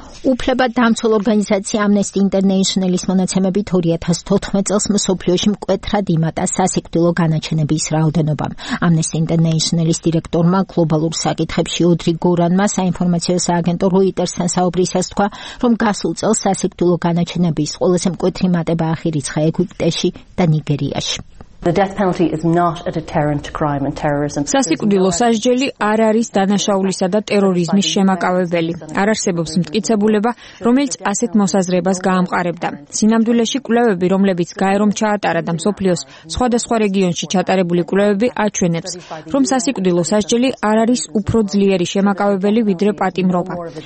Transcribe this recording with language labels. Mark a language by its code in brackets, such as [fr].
[ka] უფლება დამცველ ორგანიზაცია Amnesty International-ის მონაცემებით 2014 წელს მსოფლიოში მკვეთრად იმატა სასიკვდილო განაჩენების რაოდენობამ. Amnesty International-ის დირექტორმა გლობალურ საკითხებში ოდრი გორანმა საინფორმაციო სააგენტო Reuters-თან საუბრისას თქვა, რომ გასულ წელს სასიკვდილო განაჩენების ყველაზე მკვეთრი მატება აღირიცხა ეგვიპტეში და ნიგერიაში. [en] The death penalty is not a deterrent to crime and terrorism. [ka] სასიკვდილო სასჯელი არ არის დანაშაულისა და ტერორიზმის შემაკავებელი. არ არსებობს მტკიცებულება, რომელიც ასეთ მოსაზრებას გაამყარებდა. სინამდვილეში კვლევები, რომლებიც გაერომ ჩაატარა და მსოფლიოს სხვადასხვა რეგიონში ჩატარებული კვლევები აჩვენებს, რომ სასიკვდილო სასჯელი არ არის უფრო ძლიერი შემაკავებელი ვიდრე პატიმრობა.